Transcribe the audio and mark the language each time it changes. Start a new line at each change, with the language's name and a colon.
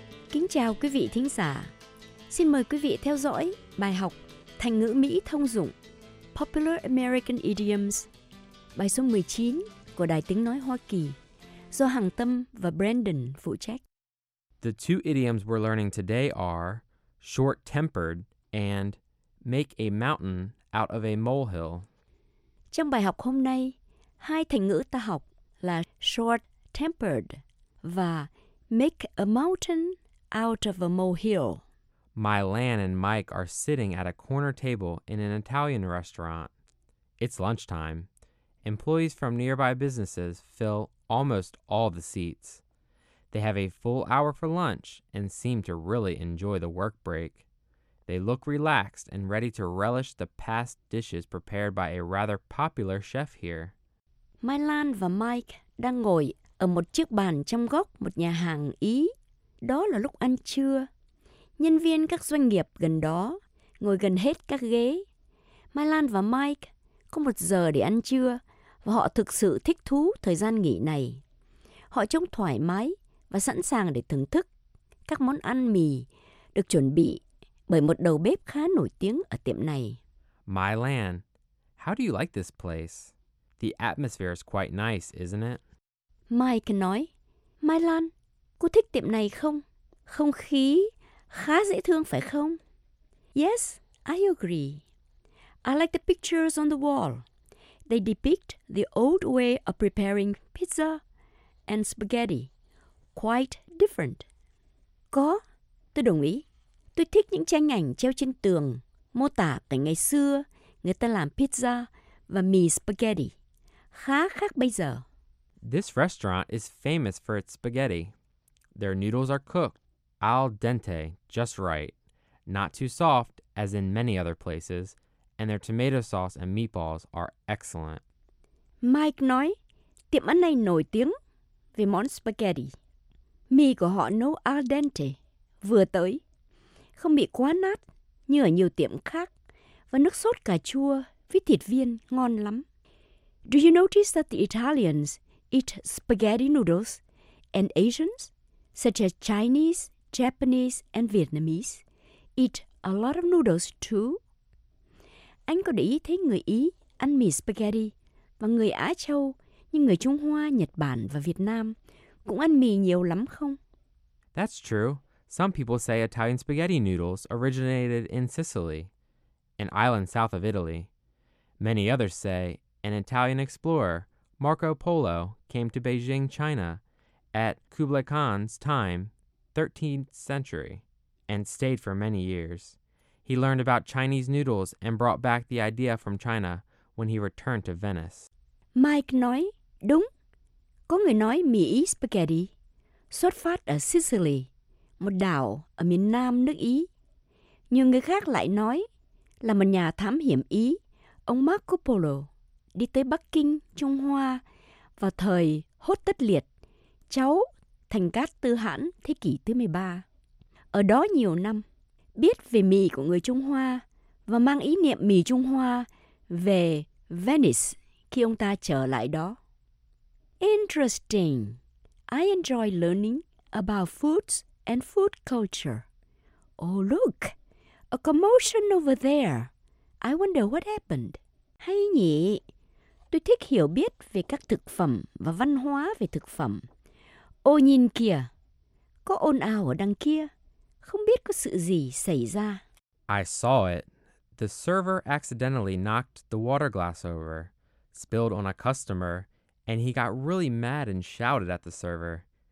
Vietnamese: Kính chào quý vị thính giả. Xin mời quý vị theo dõi bài học thành ngữ Mỹ thông dụng Popular American Idioms, bài số 19 của Đài Tiếng Nói Hoa Kỳ, do Hằng Tâm và Brandon phụ trách.
English: The two idioms we're learning today are short-tempered and make a mountain out of a molehill.
Vietnamese: Trong bài học hôm nay, hai thành ngữ ta học là short-tempered và
English: make a mountain out of a molehill. My Lan and Mike are sitting at a corner table in an Italian restaurant. It's lunchtime. Employees from nearby businesses fill almost all the seats. They have a full hour for lunch and seem to really enjoy the work break. They look relaxed and ready to relish the past dishes prepared by a rather popular chef here.
Vietnamese: My Lan và Mike đang ngồi ở một chiếc bàn trong góc một nhà hàng Ý. Đó là lúc ăn trưa. Nhân viên các doanh nghiệp gần đó ngồi gần hết các ghế. Mai Lan và Mike có một giờ để ăn trưa và họ thực sự thích thú thời gian nghỉ này. Họ trông thoải mái và sẵn sàng để thưởng thức các món ăn mì được chuẩn bị bởi một đầu bếp khá nổi tiếng ở tiệm này.
English: Mai Lan, how do you like this place? The atmosphere is quite nice, isn't it?
Vietnamese: Mike nói, Mai Lan, cô thích tiệm này không? Không khí khá dễ thương phải không?
English: Yes, I agree. I like the pictures on the wall. They depict the old way of preparing pizza and spaghetti. Quite different.
Vietnamese: Có, tôi đồng ý. Tôi thích những tranh ảnh treo trên tường mô tả cảnh ngày xưa người ta làm pizza và mì spaghetti. Khá khác bây giờ.
English: This restaurant is famous for its spaghetti. Their noodles are cooked al dente, just right. Not too soft, as in many other places. And their tomato sauce and meatballs are excellent.
Vietnamese: Mike nói, tiệm ăn này nổi tiếng vì món spaghetti. Mì của họ nấu al dente, vừa tới. Không bị quá nát như ở nhiều tiệm khác. Và nước sốt cà chua với thịt viên ngon lắm.
English: Do you notice that the Italians eat spaghetti noodles and Asians, such as Chinese, Japanese and Vietnamese eat a lot of noodles too.
Vietnamese: Anh có để ý thấy người Ý ăn mì spaghetti và người Á Châu như người Trung Hoa, Nhật Bản và Việt Nam cũng ăn mì nhiều lắm không?
English: That's true. Some people say Italian spaghetti noodles originated in Sicily, an island south of Italy. Many others say an Italian explorer, Marco Polo, came to Beijing, China, at Kublai Khan's time, 13th century, and stayed for many years. He learned about Chinese noodles and brought back the idea from China when he returned to Venice.
Vietnamese: Mike nói, đúng, có người nói mì Ý spaghetti xuất phát ở Sicily, một đảo ở miền nam nước Ý. Nhiều người khác lại nói là một nhà thám hiểm Ý, ông Marco Polo, đi tới Bắc Kinh, Trung Hoa vào thời Hốt Tất Liệt, cháu Thành Cát Tư Hãn thế kỷ thứ 13. Ở đó nhiều năm, biết về mì của người Trung Hoa và mang ý niệm mì Trung Hoa về Venice khi ông ta trở lại đó.
English: Interesting. I enjoy learning about foods and food culture. Oh, look. A commotion over there. I wonder what happened.
Vietnamese: Hay nhỉ? Tôi thích hiểu biết về các thực phẩm và văn hóa về thực phẩm. Ô nhìn kìa. Có ồn ào ở đằng kia. Không biết có sự gì xảy ra.
English: I saw it. The server accidentally knocked the water glass over, spilled on a customer, and he got really mad and shouted at the server.